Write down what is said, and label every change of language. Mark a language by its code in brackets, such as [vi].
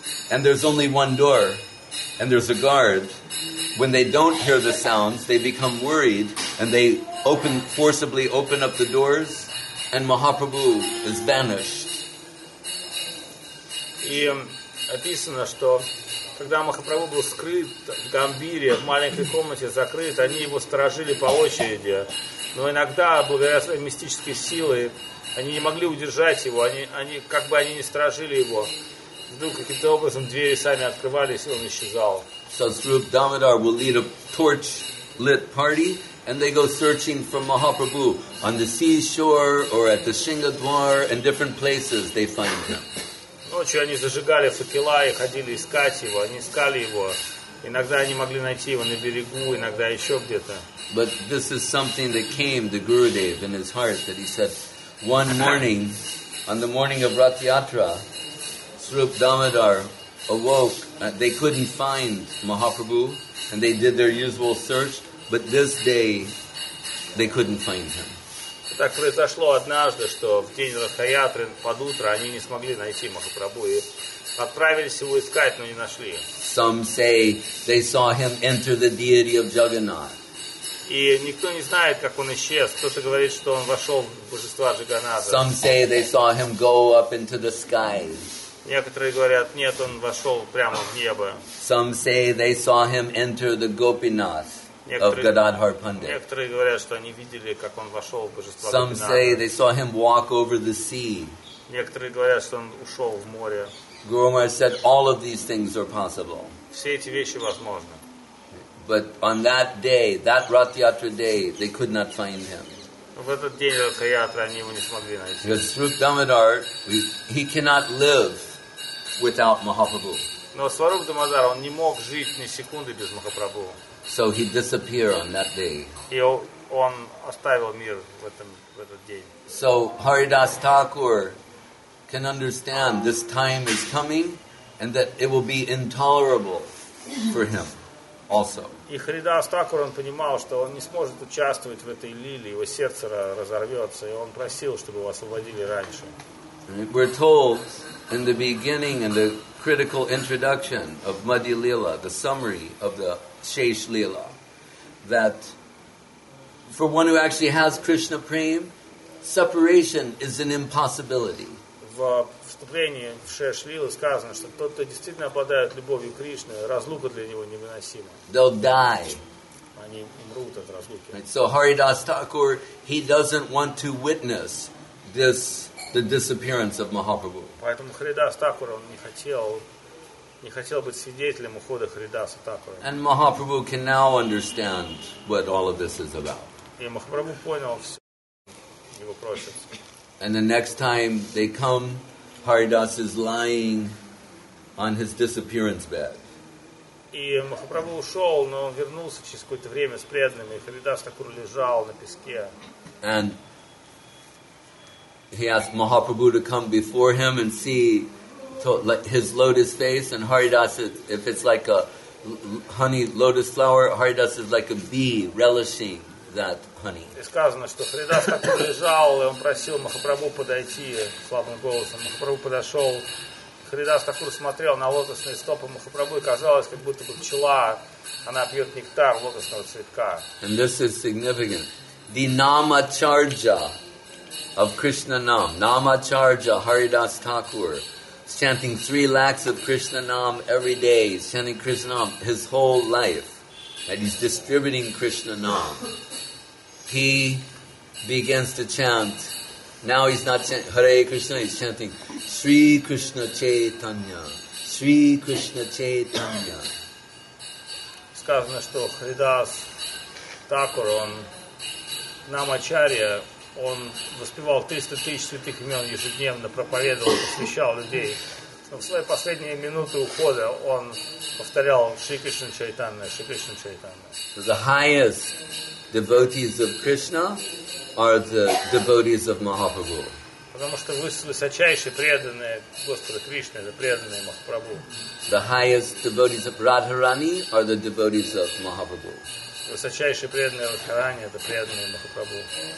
[en] And there's only one door, and there's a guard. When they don't hear the sounds, they become worried, and they forcibly open up the doors, and Mahaprabhu is vanished. [ru] И описано, что когда Махапрабху был скрыт в Гамбире, в маленькой комнате закрыт, они его сторожили по очереди. Но иногда, благодаря своей мистической силе, они не могли удержать его, они не сторожили его. Вдруг каким-то образом двери сами открывались, и он исчезал. [en] So Srupa Damodar will lead a torch-lit party, and they go searching for Mahaprabhu on the seashore or at the Shingadwar and different places they find him. [ru] Ночью они зажигали факела и ходили искать его. Они искали его. Иногда они могли найти его на берегу, иногда еще где-то. [en] But this is something that came to Gurudev in his heart, that he said, one morning, on the morning of Rath Yatra, Srupa Damodar awoke. They couldn't find Mahaprabhu, and they did their usual search, but this day they couldn't find him. [ru] Так произошло однажды, что в день Рата Ятры под утро они не смогли найти Махапрабху и отправились его искать, но не нашли. [en] Some say they saw him enter the deity of Jagannath. [ru] И никто не знает, как он исчез. Кто-то говорит, что он вошел в божества Джаганнатха. [en] Some say they saw him go up into the skies. [ru] Некоторые говорят, нет, он вошел прямо в небо. [en] Some say they saw him enter the Gopinath. [ru] Некоторые говорят, что они видели, как он вошел в божество Гопинатха. [en] Some say they saw him walk over the sea. [ru] Некоторые говорят, что он ушел в море. [en] Guru Maharaj said all of these things are possible. [ru] Все эти вещи возможны. [en] But on that day, that Rath Yatra day, they could not find him. [ru] В этот день Рath Yatra они его не смогли найти. [en] Because Srupa Damodar, he cannot live without Mahaprabhu. [ru] Но Сварупа Дамодар, он не мог жить ни секунды без Махапрабху. [en] So he disappeared on that day. [ru] И он оставил мир в этом, в этот день. [en] So Haridas Thakur can understand this time is coming and that it will be intolerable for him also. [ru] И Харидас Такур, он понимал, что он не сможет участвовать в этой лиле, его сердце разорвется, и он просил, чтобы его освободили раньше. [en] We're told in the beginning, in the critical introduction of Madhya Lila, the summary of the Shesh Lila, that for one who actually has Krishna Prem, separation is an impossibility. [ru] В вступлении в Шеш Лилу сказано, что тот, кто действительно обладает любовью Кришны, разлука для него невыносима. [en] They'll die. [ru] Они умрут от разлуки. [en] Right. So Haridas Thakur, he doesn't want to witness this, the disappearance of Mahaprabhu. [ru] Поэтому Харидас Такур, он не хотел, не хотел быть свидетелем ухода Харидаса Такура. [en] And Mahaprabhu can now understand what all of this is about. [ru] И Махапрабху понял все. Его просят. [en] And the next time they come, Haridas is lying on his disappearance bed. [ru] И Махапрабху ушел, но он вернулся через какое-то время с преданными. И Харидас Такур лежал на песке. [en] And he asked Mahaprabhu to come before him and see his lotus face, and Haridas, if it's like a honey lotus flower, Haridas is like a bee relishing that honey. [ru] И сказано, что Харидас как-то лежал, и он просил Махапрабху подойти слабым голосом. Махапрабху подошел. Харидас Такур смотрел на лотосные стопы Махапрабху, и казалось, как будто бы пчела, она пьет нектар лотосного цветка. [en] And this is significant. The Namacharja of Krishna Nam. Namacharja, Haridas Thakur. Chanting 3 lakhs of Krishna Nam every day. He's chanting Krishna Nam his whole life. And he's distributing Krishna Nam. He begins to chant. Now he's not chanting Hare Krishna, he's chanting Sri Krishna Chaitanya. Sri Krishna Chaitanya. [ru] Сказано, что Харидас Такур, он Намачарья, он воспевал 300 тысяч святых имен ежедневно, проповедовал, посвящал людей. Но в свои последние минуты ухода он повторял Шри Кришна Чайтанна, Шри Кришна Чайтанна. [en] The highest devotees of Krishna are the devotees of Mahaprabhu. [ru] Потому что высочайшие преданные Господа Кришны, это преданные Махапрабху. [en] The highest devotees of Radharani are the devotees of Mahaprabhu. [ru] Высочайшие преданные Радхарани, это преданные Махапрабху.